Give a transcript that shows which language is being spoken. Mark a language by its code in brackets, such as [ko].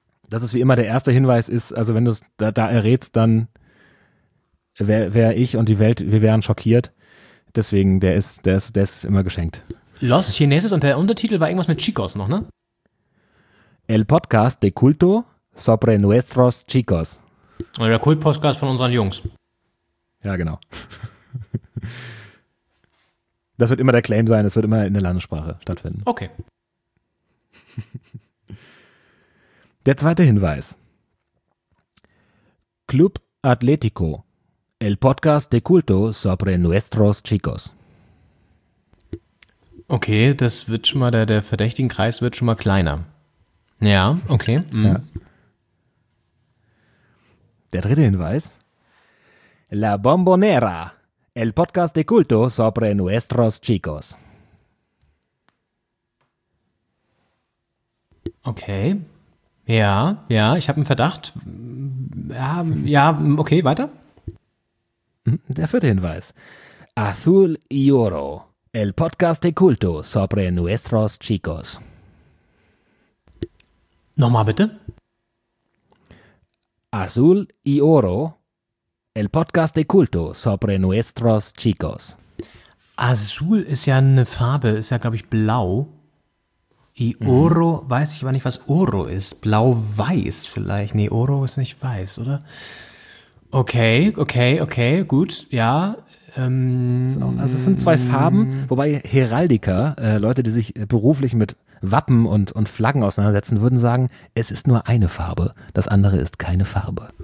[de] Das ist wie immer der erste Hinweis ist, also wenn du es da errätst, dann wär ich und die Welt, wir wären schockiert. Deswegen, der ist immer geschenkt. Los Chineses und der Untertitel war irgendwas mit Chicos noch, ne? [es] El Podcast de Culto sobre nuestros Chicos. [de] Oder der Kult-Podcast von unseren Jungs. Ja, genau. Das wird immer der Claim sein, es wird immer in der Landessprache stattfinden. Okay. Der zweite Hinweis. Club Atlético. [es] El Podcast de Culto sobre nuestros Chicos. [de] Okay, das wird schon mal, der verdächtigen Kreis wird schon mal kleiner. Ja, okay. Ja. Der dritte Hinweis. [es] La Bombonera, el podcast de culto sobre nuestros chicos. [de] Okay. Ja, ich habe einen Verdacht. Ja, okay, weiter. Der vierte Hinweis. [es] Azul y oro. El podcast de culto sobre nuestros chicos. [de] Nochmal bitte. [es] Azul y oro. El podcast de culto sobre nuestros chicos. [de] Azul ist ja eine Farbe, ist ja glaube ich blau. [es] Y oro, [de] weiß ich aber nicht, was oro ist. Blau-weiß vielleicht. Nee, oro ist nicht weiß, oder? Okay, gut, ja. Also es sind zwei Farben, wobei Heraldiker, Leute, die sich beruflich mit Wappen und Flaggen auseinandersetzen, würden sagen, es ist nur eine Farbe, das andere ist keine Farbe.